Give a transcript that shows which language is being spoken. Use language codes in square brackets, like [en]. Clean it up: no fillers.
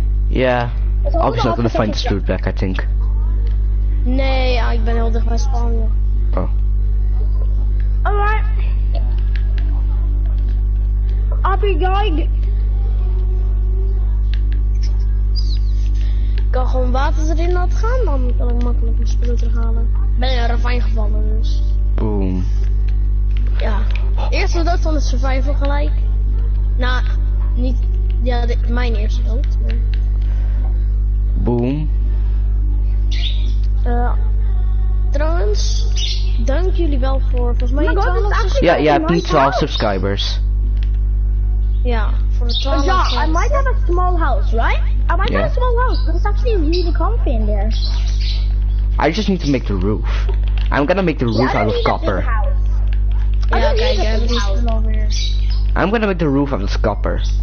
[en] Yeah, I'm just not gonna find the stupid back, I think. [nl] Nee, ik ben heel dicht bij spawn. Oh. [en] Alright. Happy guide. [nl] Ik kan gewoon water erin laten gaan, dan kan ik makkelijk mijn spullen terughalen. Ben in een ravijn gevallen, dus. Boom. Ja. Eerste dood van de survival gelijk. Nou, niet. Ja, mijn eerste dood. Maar... Boom. Trouwens, dank jullie wel voor volgens mij 12 subscribers. Ja, je hebt niet 12 subscribers. Ja, voor de 12. [en] Ja, I might have a small house, right? I might have a small house, but it's actually really comfy in there. I just need to make the roof. I'm gonna make the roof out of copper. Yeah, okay, guys, over here. I'm gonna make the roof out of copper.